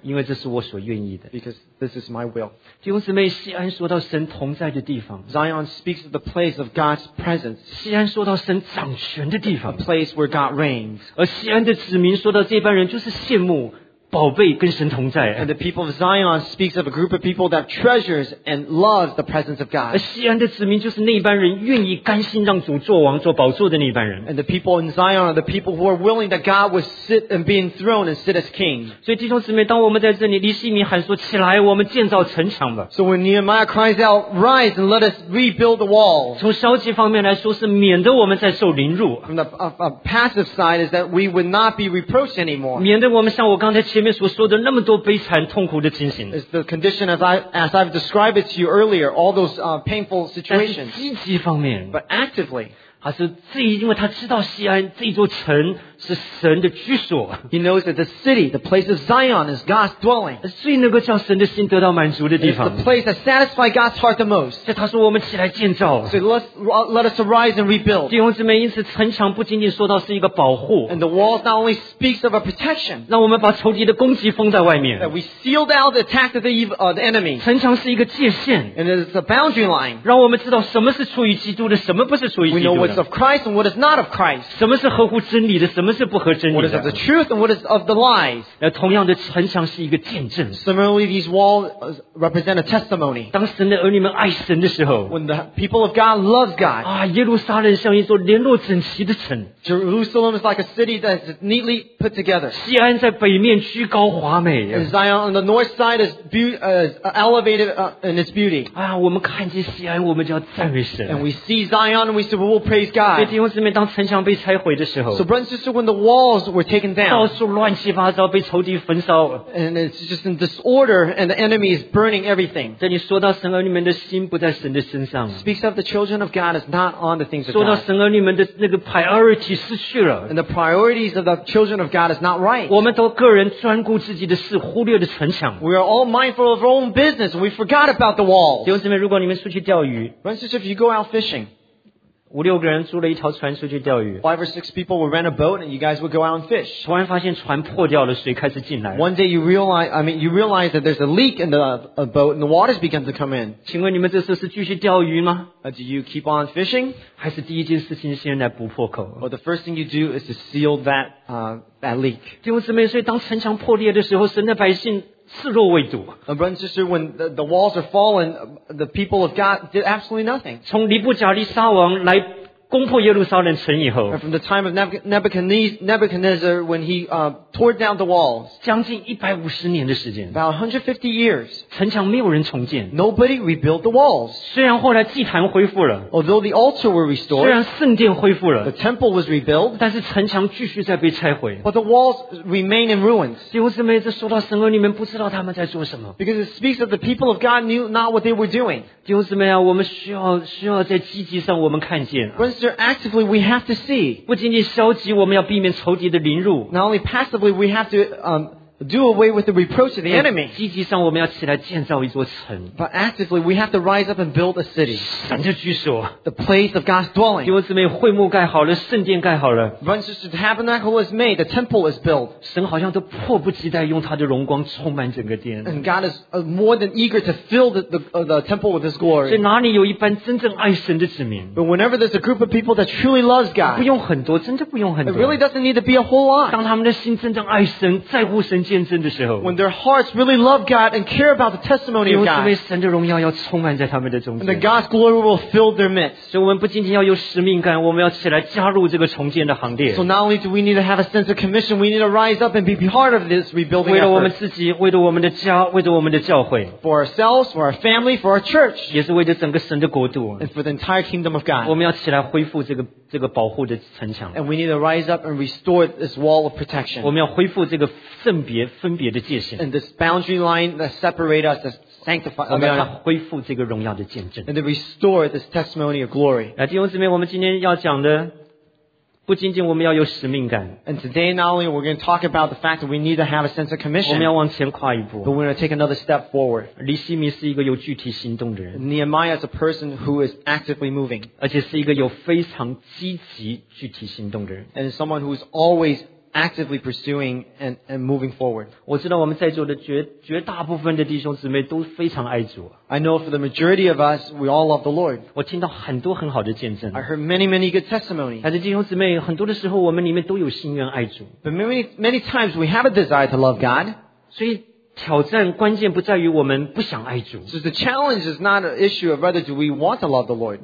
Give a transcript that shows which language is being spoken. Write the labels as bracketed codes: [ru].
[zh] 因为这是我所愿意的。 [en] Because this is my will. [zh] 弟兄姊妹，锡安说到神同在的地方。Zion [en] speaks of the place of God's presence. [zh] 锡安说到神掌权的地方。 [en] A place where God reigns. [zh] 而锡安的子民说到这帮人就是羡慕。 [en] And the people of Zion speaks of a group of people that treasures and loves the presence of God. And the people in Zion are the people who are willing that God would sit and be enthroned and sit as king. So when Nehemiah cries out, rise and let us rebuild the wall. From the passive side is that we would not be reproached anymore. Is the condition as I've described it to you earlier, all those painful situations. [zh] 但是积极方面, [en] but actively, [zh] 他是自己因为他知道西安这座城是神的居所。 [en] He knows that the city, the place of Zion, is God's dwelling. [zh] 最能够叫神的心得到满足的地方。 [en] It's the place that satisfies God's heart the most. [zh] 所以他说我们起来建造。 [en] So let us arise and rebuild. [zh] 弟兄姊妹，因此城墙不仅仅说到是一个保护。 [en] And the wall not only speaks of a protection. [zh] 让我们把仇敌的攻击封在外面。 [en] That we sealed out the attack of the enemy. [zh] 城墙是一个界限。 [en] And it is a boundary line. [zh] 让我们知道什么是出于基督的，什么不是出于基督的。 [en] What is of Christ and what is not of Christ? [zh] 什么是合乎真理的, 什么是不合真理的? [en] What is of the truth and what is of the lies? [zh] 同样的城墙是一个见证。 [en] Similarly, these walls represent a testimony. [zh] 当神的儿女们爱神的时候, [en] when the people of God love God, [zh] 啊, 耶路撒冷像一座联络整齐的城, [en] Jerusalem is like a city that is neatly put together. [zh] 西安在北面居高华美, [en] and Zion on the north side is elevated in its beauty. [zh] 啊, 我们看见西安, 我们就要赞美神, [en] and we see Zion and we say, we'll praise God. [zh] 弟兄姊妹，当城墙被拆毁的时候, [en] so brothers and sisters, when the walls were taken down, [zh] 到处乱七八糟, 被仇敌焚烧, [en] and it's just in disorder and the enemy is burning everything. [zh] 这里说到神儿女们的心不在神的身上, [en] speaks of the children of God is not on the things of God. [zh] 说到神儿女们的那个priority失去了, [en] and the priorities of the children of God is not right. [zh] 我们都个人专顾自己的事, 忽略了城墙, [en] we are all mindful of our own business and we forgot about the walls. [zh] 弟兄姊妹，如果你们出去钓鱼, [en] brothers and sisters, if you go out fishing, 5 or 6 people would rent a boat and you guys would go out and fish. [zh] 突然发现船破掉了，水开始进来。 [en] One day you realize that there's a leak in the boat and the water's begun to come in. [zh] 请问你们这次是继续钓鱼吗? [en] Do you keep on fishing? [zh] 还是第一件事情先来补破口? [en] Well, the first thing you do is to seal that leak. [zh] 弟兄姊妹，所以当城墙破裂的时候，神的百姓 [en] Brothers and sisters, when the walls are fallen, the people of God did absolutely nothing. [zh] 从尼布甲利沙王来攻破耶路撒冷城以后, [en] from the time of Nebuchadnezzar, when he tore down the walls, [zh] 将近150年的时间, [en] about 150 years, [zh] 城墙没有人重建, [en] nobody rebuilt the walls. [zh] 虽然后来祭坛恢复了, [en] although the altar were restored, [zh] 虽然圣殿恢复了, [en] the temple was rebuilt, [zh] 但是城墙继续在被拆毁, [en] but the walls remain in ruins. [zh] 弟兄姊妹，这说到神儿女们不知道他们在做什么, [en] because it speaks that the people of God knew not what they were doing. [zh] 弟兄姊妹啊，我们需要在积极上我们看见, [en] actively we have to see. [zh] 不仅仅消极, [en] not only passively, we have to do away with the reproach of the enemy. But actively, we have to rise up and build a city. [zh] 神的居所, [en] the place of God's dwelling. [zh] 弟兄姊妹，会幕盖好了，圣殿盖好了。 [en] When the tabernacle was made, the temple is built. [zh] 神好像都迫不及待用他的荣光充满整个殿。 [en] And God is more than eager to fill the temple with His glory. [zh] 所以哪里有一般真正爱神的子民? [en] But whenever there's a group of people that truly loves God, [zh] 不用很多，真的不用很多。 [en] It really doesn't need to be a whole lot. [zh] 当他们的心真正爱神，在乎神。见证的时候 [en] when their hearts really love God and care about the testimony of God, [zh] 因为神的荣耀要充满在他们的中间 [en] and the God's glory will fill their midst. [zh] 所以我们不仅仅要有使命感我们要起来加入这个重建的行列 [en] So not only do we need to have a sense of commission, we need to rise up and be part of this rebuilding [zh] effort. 为了我们自己为了我们的家为了我们的教会 [en] For ourselves, for our family, for our church. [zh] 也是为了整个神的国度 [en] and for the entire kingdom of God. [zh] 我们要起来恢复这个保护的城墙 [en] and we need to rise up and restore this wall of protection. [zh] 我们要恢复这个圣别分别的界限 [en] and this boundary line that separates us as sanctified. [zh] 我们要恢复这个荣耀的见证 [en] and to restore this testimony of glory. [zh] 来弟兄姊妹我们今天要讲的不仅仅我们要有使命感 [en] and today not only we're going to talk about the fact that we need to have a sense of commission. [zh] 我们要往前跨一步 [en] but we're going to take another step forward. [zh] 尼希米是一个有具体行动的人 [en] Nehemiah is a person who is actively moving. [zh] 而且是一个有非常积极具体行动的人 [en] and someone who is always actively pursuing and moving forward. [zh] 我知道我们在座的绝大部分的弟兄姊妹都非常爱主。 [en] I know for the majority of us, we all love the Lord. [zh] 我听到很多很好的见证。 [en] I heard many, many good testimonies. [zh] 但是弟兄姊妹，很多的时候我们里面都有心愿爱主。 [en] But many, many times we have a desire to love God. [zh] 所以挑战关键不在于我们不想爱主。 [en] So the challenge is not an issue of whether do we want to love the Lord.